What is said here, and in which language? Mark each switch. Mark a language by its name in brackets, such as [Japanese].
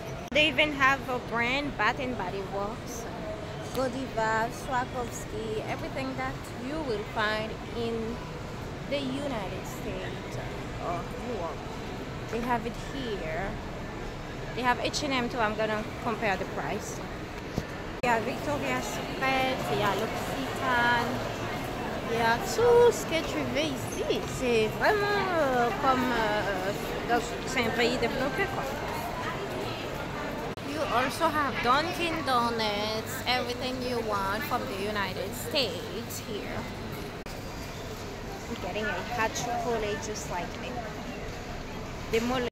[English] They even have a brand, Bath and Body Works, Godiva, Swarovski, everything that you will find in the United States or Europe. They have it here. They have H&M too. I'm gonna compare the price. Yeah, Victoria's Secret, yeah, L'Occitane. Yeah, [French] tout ce que tu veux ici, c'est vraiment comme dans un pays développé quoi. [English] Also have Dunkin' Donuts, everything you want from the United States here. I'm getting a hot chocolate just like me. The mole.